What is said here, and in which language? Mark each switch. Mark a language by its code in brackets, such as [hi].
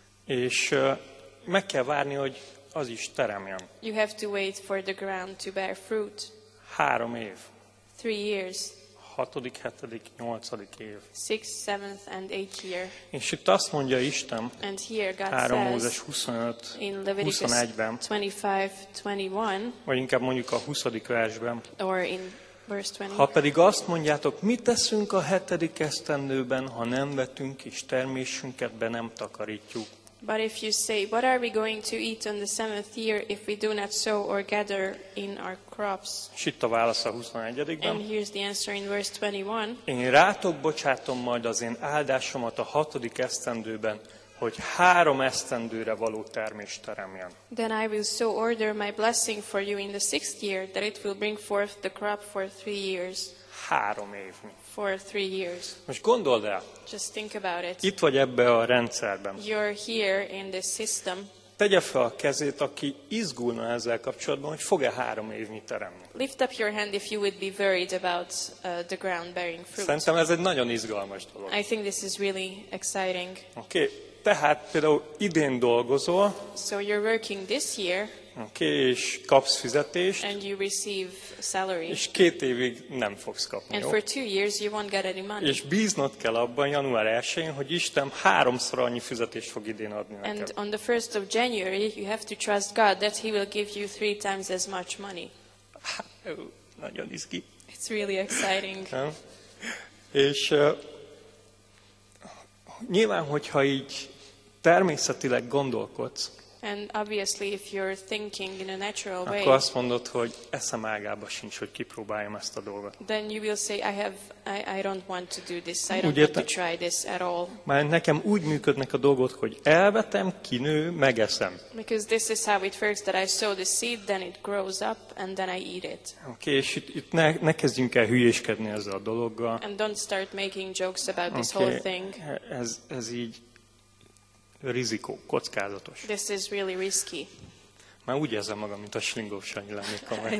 [hu] És meg kell várni, hogy az is teremjen. [en] You have to wait for the ground to bear fruit. [hu] 3 év. [en] 3 years. [hu] 6., 7., 8. év. [en] 6th, 7th and 8th year. [hu] És itt azt mondja Isten. [en] And here God [hu] 3 [en] says, [hu] Mózes 25, [en] in Leviticus [hu] 21-ben, [en] 25, 21. [hu] Vagy inkább mondjuk a 20. versben. [en] Or in verse 20. [hu] Ha pedig azt mondjátok, mit teszünk a 7. esztendőben, ha nem vetünk és termésünket be nem takarítjuk. [en] But if you say, what are we going to eat on the seventh year if we do not sow or gather in our crops? [hu] És itt a válasz a 21-ben. [en] And here's the answer in verse 21. [hu] Én rátok bocsátom majd az én áldásomat a 6. esztendőben, hogy 3 esztendőre való termést teremjen. [en] Then I will so order my blessing for you in the sixth year that it will bring forth the crop for 3 years. [hu] 3 évnyi. [en] For 3 years. [hu] Most gondold el. [en] Just think about it. [hu] Itt vagy ebbe a rendszerben. [en] You're here in this system. [hu] Tegye fel a kezét, aki izgulna ezzel kapcsolatban, hogy fog-e 3 évnyi teremni. [en] Lift up your hand if you would be worried about the ground bearing fruit. [hu] Szerintem ez egy nagyon izgalmas dolog. [en] I think this is really exciting. [hu] Oké. Tehát például idén dolgozol. [en] So you're working this year. [hu] Oké, és kapsz fizetést. [en] And you receive salary. [hu] És 2 évig nem fogsz kapni. [en] And for 2 years you won't get any money. [hu] És bíznod kell abban január 1-én, hogy Isten 3-szor annyi fizetést fog idén adni neked. [en] And on the 1st of January you have to trust God that he will give you 3 times as much money. [hu] Nagyon izgi. [en] It's really exciting. [hu] És nyilván, hogyha így természetileg gondolkodsz, [en] and obviously if you're thinking in a natural way, [hu] akkor azt mondod, hogy eszem ágába sincs, hogy kipróbáljam ezt a dolgot. [en] Then you will say I don't want to do this. I don't want to try this at all. [hu] Mert nekem úgy működnek a dolgok, hogy elvetem, kinő, megeszem. [en] Because this is how it works, that I sow the seed, then it grows up and then I eat it. [hu] Okay, és itt ne kezdjünk el hülyéskedni ezzel a dologgal. [en] And don't start making jokes about this whole thing. [hu] Ez így rizikó, kockázatos. [en] This is really risky. [hu] Már úgy érzem magam, mint a Slingov Sanyi lennék.